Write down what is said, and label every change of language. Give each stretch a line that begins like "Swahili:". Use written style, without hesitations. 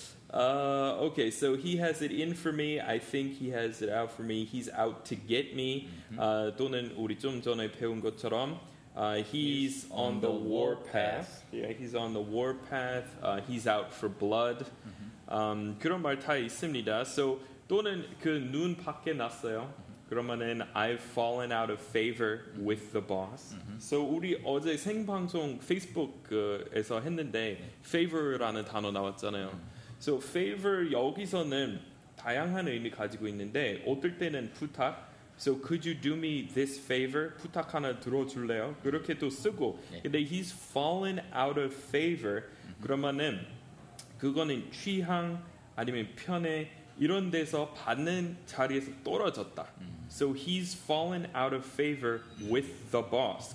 English: okay so he has it in for me I think he has it out for me he's out to get me
Korean: 또는 우리 좀 전에 배운 것처럼
English: he's on the war path. Yeah, he's on the war path. He's out for blood.
Korean: 그런 말 다 있습니다. So 또는 그 눈 밖에 났어요. 그러면은
English: I've fallen out of favor with the boss.
Korean: So 우리 어제 생방송 페이스북에서 했는데 favor라는 단어 나왔잖아요. So favor 여기서는 다양한 의미 가지고 있는데 어떨 때는 부탁.
English: So could you do me this favor?
Korean: 부탁 하나 들어줄래요? 그렇게도 쓰고. 근데
English: he's fallen out of favor.
Korean: 그러면은 그거는 취향 아니면 편애 이런 데서 받는 자리에서 떨어졌다.
English: So he's fallen out of favor with the boss.